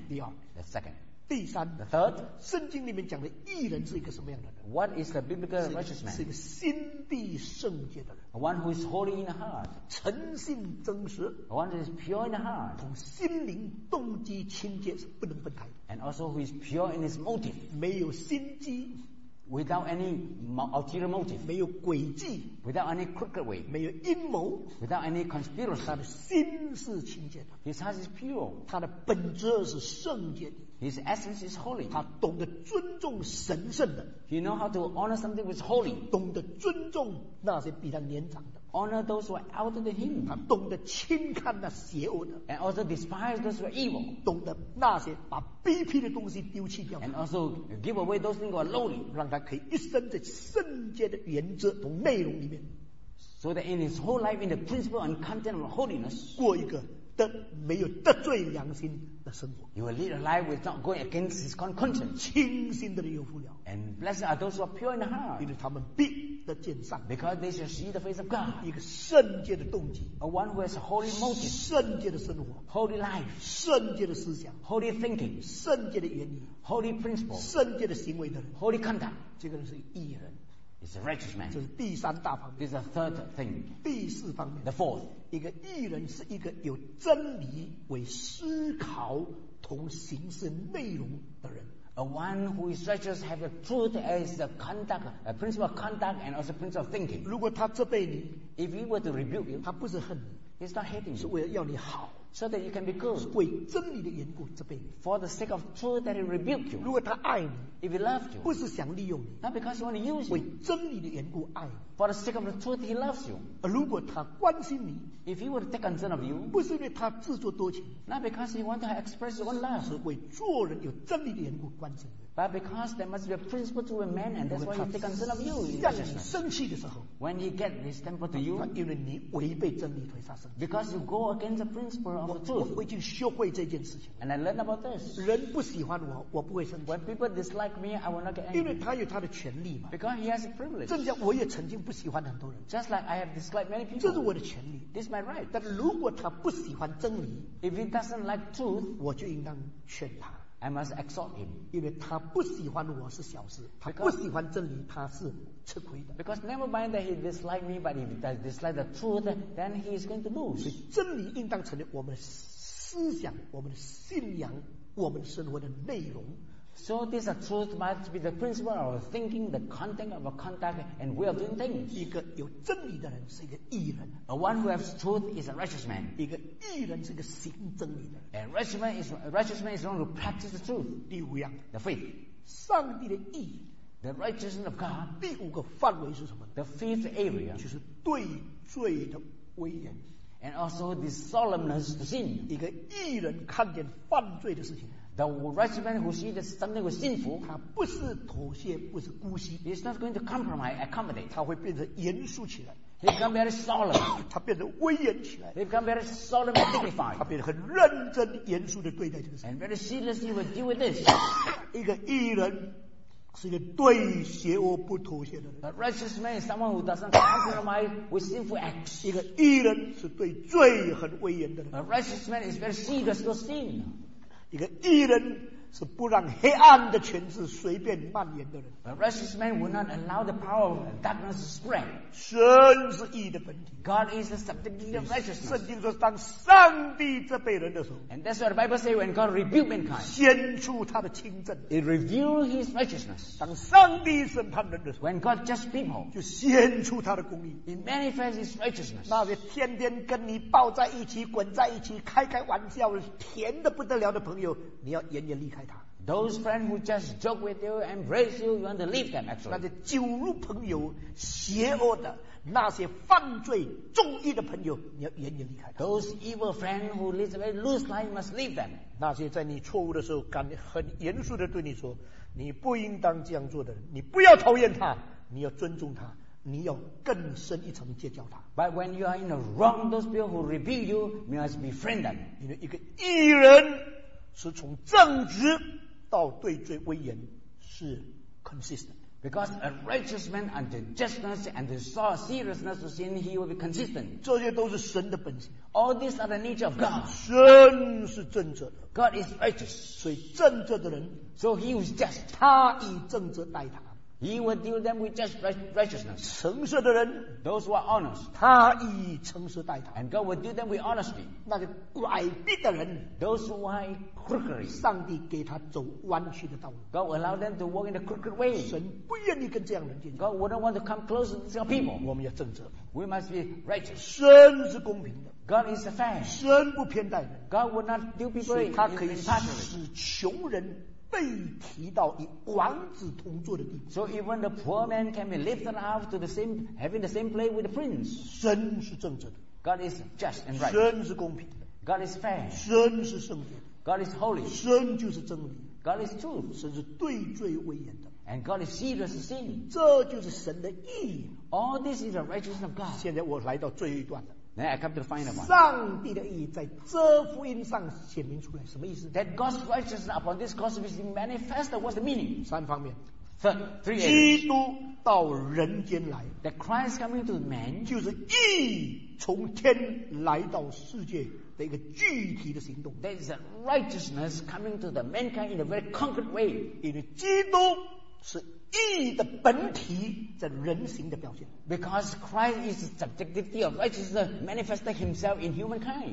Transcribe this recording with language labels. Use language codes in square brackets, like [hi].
[zh] 第二 [en] ，The second. [zh] 第三 [en] ，The third. [zh] 圣经里面讲的义人是一个什么样的人 [en] ？What is the biblical righteous man? [zh] 是一个心地圣洁的人。 [en] One who is holy in the heart, [zh] 诚信真实 [en] One who is pure in the heart, [zh] 从心灵动机清洁是不能分开的 [en] And also who is pure in his motive, [zh] 没有心机 [en] Without any ulterior motive, [zh] 没有诡计 [en] Without any crooked way, [zh] 没有阴谋 [en] Without any conspiracy, [zh] 他的心是清洁的 [en] His heart is pure, [zh] 他的本质是圣洁的 [en] His essence is holy, [zh] 他懂得尊重神圣的 [en] He know how to honor something which is holy, [zh] 懂得尊重那些比他年长的 [en] Honor those who are elder than him [zh] 他懂得轻看那邪恶的 [en] And also despise those who are evil [zh] 懂得那些把卑鄙的东西丢弃掉 [en] And also give away those things who are lowly [zh] 让他可以一生在圣洁的原则和内容里面 [en] So that in his whole life in the principle and content of holiness [zh] 过一个得没有得罪良心的生活 [en] You will lead a life without going against his conscience [zh] 清心的人有福了 [en] And blessed are those who are pure in the heart [zh] 因为他们必 [en] Because they shall see the face of God. [zh] 一个圣洁的动机 [en] A one who has a holy motive. [zh] 圣洁的生活 [en] Holy life. [zh] 圣洁的思想 [en] Holy thinking. [zh] 圣洁的原理 [en] Holy principle. [zh] 圣洁的行为的人 [en] Holy conduct. [zh] 这个人是义人 [en] He's a righteous man. [zh] 这是第三大方面 [en] This is the third thing. [zh] 第四方面 [en] The fourth. [zh] 一个义人是一个有真理为思考同行事内容的人 [en] A one who is righteous have a truth as the conduct, a principle of conduct and also principle of thinking. [zh] 如果他责备你 [en] if he were to rebuke you, [zh] 他不是恨你 [en] he's not hating you. [zh] 是为了要你好 [en] so that you can be good. [zh] 是为真理的缘故责备你 [en] for the sake of truth that he rebuke you. [zh] 如果他爱你 [en] if he loved you, [zh] 不是想利用你 [en] not because he want to use you. [zh] 为真理的缘故爱你 [en] for the sake of the truth he loves you. [zh] 如果他关心你 [en] if he were to take concern of you, [zh] 不是因为他自作多情 [en] not because he want to express his own love. [zh] 是为做人有真理的缘故关心你 [en] but because there must be a principle to a man and that's why he take concern of you. [zh] 向你生气的时候 [en] when he get his temper to you, [zh] 因为你违背真理推杀生气 [en] because you go against the principle of the truth. [zh] 我已经学会这件事情 [en] and I learned about this. [zh] 人不喜欢我，我不会生气 [en] when people dislike me, I will not get angry. [zh] 因为他有他的权利嘛 [en] because he has a privilege. [zh] 正像我也曾经不喜欢很多人 [en] just like I have disliked many people. [zh] 这是我的权利 [en] this is my right. [zh] 但如果他不喜欢真理 [en] if he doesn't like truth, [zh] 我就应当劝他 [en] I must exhort him. [zh] 因为他不喜欢我是小事，他不喜欢真理，他是吃亏的。 [en] Because never mind that he dislike me, but if he does dislike the truth, then he is going to lose. [zh] 所以真理应当成为我们的思想、我们的信仰、我们生活的内容。 [en] So this truth must be the principle of thinking, the content of our conduct and way of doing things. [zh] 一个有真理的人是一个义人。 [en] A one who has truth is a righteous man. [zh] 一个义人是一个行真理的人。 [en] A righteous man is one who practices the truth. [zh] 第五样。 [en] The faith. [zh] 上帝的义。 [en] The righteousness of God. [zh] 第五个范围是什么 [en] ？The fifth area. [zh] 就是对罪的威严。 [en] And also the solemnness of sin. [zh] 一个义人看见犯罪的事情。 [en] The righteous man who sees something was sinful, [zh] 他不是妥协，不是姑息。 [en] He's not going to compromise, accommodate. [zh] 他会变得严肃起来。 [en] He become very solemn. [zh] 他变得威严起来。 [en] He become very solemn and dignified. [zh] 他变得很认真、严肃的对待这个事。 [en] And very seriously will deal with this. [zh] 一个义人是一个对邪恶不妥协的人。 [en] A righteous man is someone who doesn't compromise with sinful acts. [zh] 一个义人是对罪很威严的人。 [en] A righteous man is very serious to sin. [zh] 一个义人是不让黑暗的权势随便蔓延的人。 [en] A righteous man will not allow the power of darkness to spread. [zh] 神是义的本体。 [en] God is the subject of righteousness. [zh] 圣经说，当上帝责备人的时候 [en] ，And that's what the Bible says when God rebuked mankind. [zh] 显出他的清正。 [en] It reveals his righteousness. [zh] 当上帝审判人的时候 [en] ，When God judges people, [zh] 就显出他的公义。 [en] It manifests his righteousness. [zh] 那些天天跟你抱在一起、滚在一起、开开玩笑、甜的不得了的朋友，你要严严厉。 [en] Those friends who just joke with you, embrace you, you want to leave them actually. [zh] 那些酒肉朋友、邪恶的那些犯罪重义的朋友，你要远远离开。 [en] Those evil friends who live a loose life, must leave them. [zh] 那些在你错误的时候，敢很严肃的对你说，你不应当这样做的人，你不要讨厌他，你要尊重他。你要更深一层结交他。 [en] But when you are in the wrong, those people who rebuke you, you must befriend them. [zh] 因为一个义人是从正直到对罪威严是 consistent. [en] Because a righteous man under justness and the saw seriousness of sin, he will be consistent. [zh] 这些都是神的本性。 [en] All these are the nature of God. [zh] 神是正直的。 [en] God is righteous. [zh] 所以正直的人 [en] ，so he was just. [zh] 他以正直待他。 [en] He will deal them with just righteousness. [zh] 诚实的人 [en] those who are honest, [zh] 他以诚实待他。 [en] And God will deal them with honesty. [zh] 那个拐弯的人 [en] those who are crooked, [zh] 上帝给他走弯曲的道路。 [en] God will allow them to walk in the crooked way. [zh] 神不愿意跟这样人接近。 [en] God wouldn't want to come close to such people. [zh] 我们要正直。 [en] We must be righteous. [zh] 神是公平的。 [en] God is fair. [zh] 神不偏待人。 [en] God will not deal people with impartiality. [zh] 所以他可以使穷人被提到以王子同坐的地步。 [en] So even the poor man can be lifted up to the same, having the same place with the prince. [zh] 神是正直的。 [en] God is just and right. [zh] 神是公平的。 [en] God is fair. [zh] 神是圣洁的。 [en] God is holy. [zh] 神就是真理。 [en] God is truth. [zh] 神是对罪威严的。 [en] And God is serious sin. [zh] 这就是神的义。 [en] All this is the righteousness of God. [zh] 现在我来到最后一段了。 [en] Then I come to the final one. [zh] 上帝的意在这福音上显明出来，什么意思？ [en] That God's righteousness upon this cross is manifested. What's the meaning? [zh] 三方面。 [en] Three. [zh] 基督到人间来。 [en] That Christ coming to man. [zh] 就是义从天来到世界的一个具体的行动。 [en] That is the righteousness coming to the mankind in a very concrete way. [zh] 因为基督是义的本体，这人形的表现。 [en] Because Christ is the subjectivity of righteousness manifested himself in humankind.